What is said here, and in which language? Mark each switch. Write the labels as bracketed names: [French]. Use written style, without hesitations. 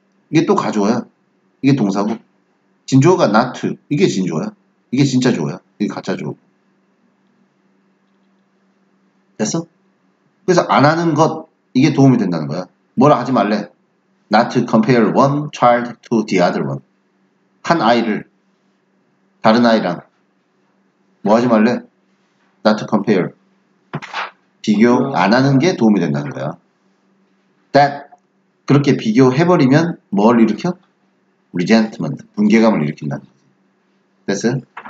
[Korean] 이게 또 가조어야. 이게 동사고. 진조어가 not. 이게 진조어야. 이게 진짜 조어야. 이게 가짜 조어. 됐어? 그래서 안 하는 것, 이게 도움이 된다는 거야. 뭐라 하지 말래? [English] Not to compare one child to the other one. [Korean] 한 아이를 다른 아이랑 뭐 하지 말래? [English] Not to compare. [Korean] 비교 안 하는 게 도움이 된다는 거야. That 그렇게 비교해버리면 뭘 일으켜? Resentment, 분개감을 일으킨다는 거지. 됐어요?